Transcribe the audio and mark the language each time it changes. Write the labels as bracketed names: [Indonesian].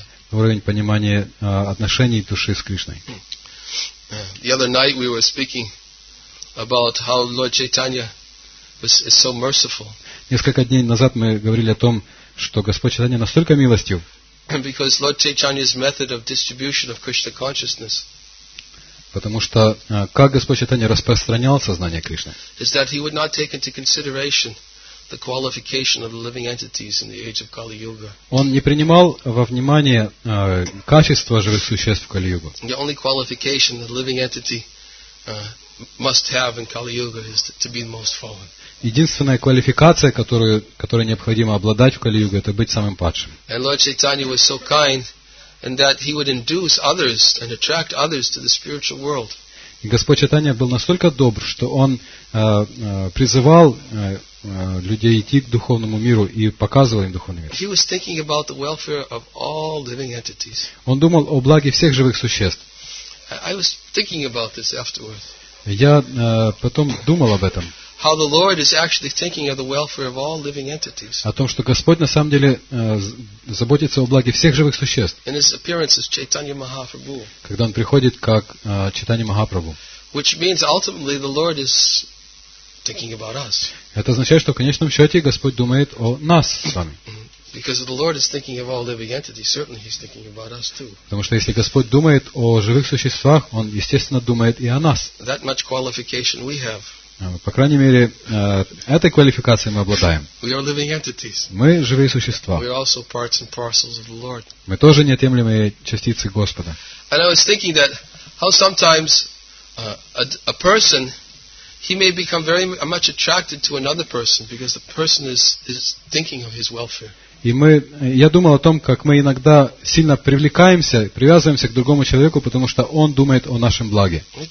[Russian] Уровень понимания отношений души с Кришной. [English] The other night we were speaking about how Lord Chaitanya is so merciful. [Russian] Несколько дней назад мы говорили о том, что Господь Чайтанья настолько милостив. [English] Because Lord Chaitanya's method of distribution of Krishna consciousness. [Russian] Потому что как Господь Чайтанья распространял сознание Кришны? [English] Is that he would not take into consideration the qualification of the living entities in the age of Kali Yuga. [Russian] Он не принимал во внимание качество живых существ в Кали-Югу. [English] The only qualification that living entity must have in Kali Yuga is to be the most fallen. [Russian] Единственная квалификация, которой необходимо обладать в Кали-Юге, это быть самым падшим. [English] And Lord Chaitanya was so kind and that he would induce others and attract others to the spiritual world. [Russian] И Господь Чайтанья был настолько добр, что он призывал людей идти к духовному миру и показывал им духовный мир. [English] He was thinking about the welfare of all living entities. [Russian] Он думал о благе всех живых существ. [English] I was thinking about this afterwards. [Russian] Я потом думал об этом. [English] How the Lord is actually thinking of the welfare of all living entities. [Russian] О том, что Господь на самом деле заботится о благе всех живых существ. [English] In his appearance as Chaitanya Mahaprabhu. [Russian] Когда он приходит как Чайтанья Махапрабху. [English] Which means ultimately the Lord is thinking about us. [Russian] Это означает, что в конечном счете Господь думает о нас с вами. [English] Because if the Lord is thinking of all living entities, certainly He's thinking about us too. [Russian] Потому что если Господь думает о живых существах, Он естественно думает и о нас. [English] That much qualification we have. [Russian] По крайней мере, этой квалификацией мы обладаем. [English] We are living entities. [Russian] Мы живые существа. [English] We are also parts and parcels of the Lord. [Russian] Мы тоже неотъемлемые частицы Господа. [English] And I was thinking that how sometimes a person he may become very much attracted to another person because the person is thinking of his welfare. [Russian] И мы, я думал о том, как мы иногда сильно привлекаемся, привязываемся к другому человеку, потому что он думает о нашем благе.